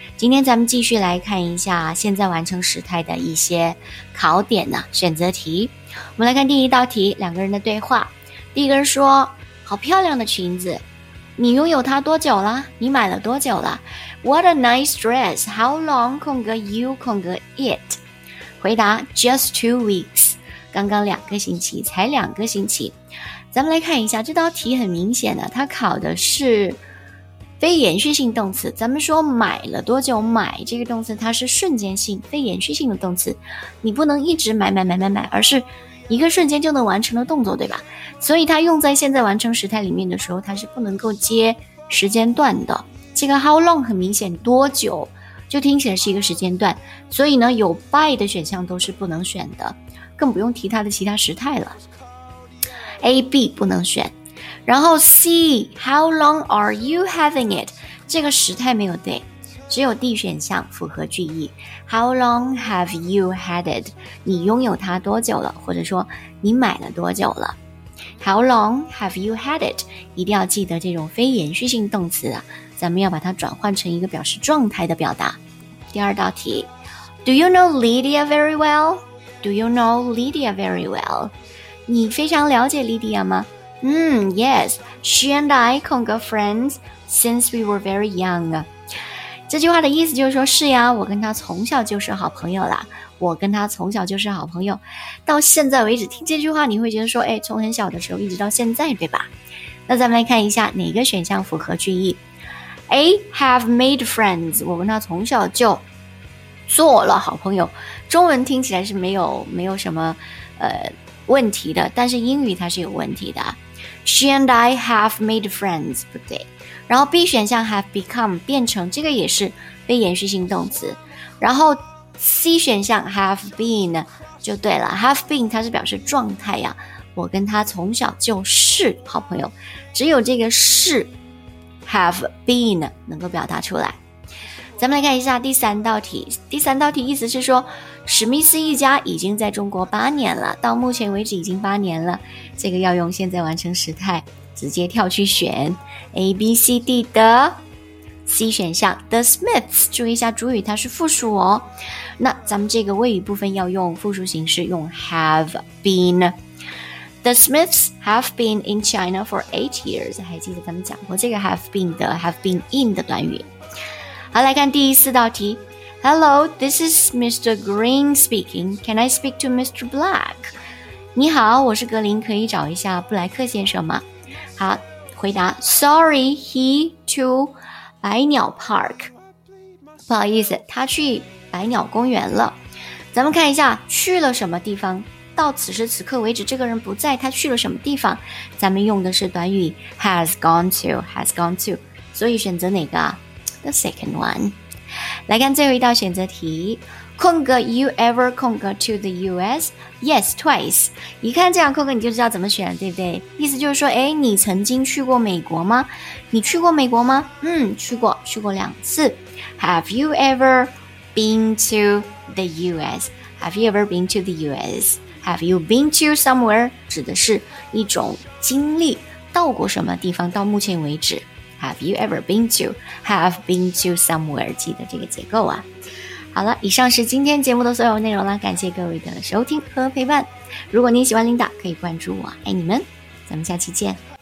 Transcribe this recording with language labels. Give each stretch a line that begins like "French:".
Chinese: 今天咱们继续来看一下现在完成时态的一些考点呢，选择题。我们来看第一道题，两个人的对话。第一个人说，好漂亮的裙子，你拥有它多久了？你买了多久了？
English: What a nice dress. How long you it? 回答 just 2 weeks.
Chinese: 刚刚两个星期，才两个星期。咱们来看一下这道题，很明显的它考的是非延续性动词。咱们说买了多久，买这个动词它是瞬间性非延续性的动词，你不能一直买，而是一个瞬间就能完成的动作，对吧？所以它用在现在完成时态里面的时候，它是不能够接时间段的。这个 how long 很明显多久就听起来是一个时间段，所以呢有 by 的选项都是不能选的，更不用提它的其他时态了。 AB 不能选，然后 C
English: how long are you having it，
Chinese: 这个时态没有 day，只有 D 选项符合句意。
English: How long have you had it?
Chinese: 你拥有它多久了，或者说你买了多久了。
English: How long have you had it?
Chinese: 一定要记得这种非延续性动词啊，咱们要把它转换成一个表示状态的表达。第二道题，
English: Do you know Lydia very well? Do you know Lydia very well?
Chinese: 你非常了解 Lydia 吗？
English: Yes, she and I conga friends since we were very young.
Chinese: 这句话的意思就是说，是呀，我跟他从小就是好朋友啦。我跟他从小就是好朋友，到现在为止，听这句话你会觉得说，哎，从很小的时候一直到现在，对吧？那咱们来看一下哪个选项符合句意。A
English: have made friends，
Chinese: 我跟他从小就做了好朋友，中文听起来是没有什么问题的，但是英语它是有问题的。
English: She and I have made friends，
Chinese: 不对。然后 B 选项 have become 变成，这个也是非延续性动词。然后 C 选项 have been 就对了， have been 它是表示状态呀，我跟他从小就是好朋友，只有这个是 have been 能够表达出来。咱们来看一下第三道题，第三道题意思是说，史密斯一家已经在中国8年了，到目前为止已经8年了，这个要用现在完成时态直接跳去选 ABCD 的 C 选项 The Smiths。注意一下主语它是复数哦，那咱们这个谓语部分要用复数形式，用 have been。
English: The Smiths have been in China for 8 years，
Chinese: 还记得咱们讲过这个
English: have been 的 have been in 的短语。
Chinese: 好，来看第四道题。
English: Hello, this is Mr. Green speaking. Can I speak to Mr. Black?
Chinese: 你好，我是格林，可以找一下布莱克先生吗？好，回答
English: Sorry, he to
Chinese: 百鸟 park， 不好意思，他去百鸟公园了。咱们看一下去了什么地方，到此时此刻为止这个人不在，他去了什么地方，咱们用的是短语 has gone to， 所以选择哪个？
English: The second one。
Chinese: 来看最后一道选择题，
English: Konga, you ever konga to the US? Yes, twice.
Chinese: 一看这样扣扣你就知道怎么选，对不对？意思就是说，哎，你曾经去过美国吗？你去过美国吗？去过2次。
English: Have you ever been to the US? Have you ever been to the US? Have you been to somewhere?
Chinese: 指的是一种经历，到过什么地方，到目前为止。
English: Have you ever been to? Have been to somewhere? 记得这个结构啊。
Chinese: 好了，以上是今天节目的所有内容了，感谢各位的收听和陪伴。如果您喜欢琳达，可以关注我，爱你们，咱们下期见。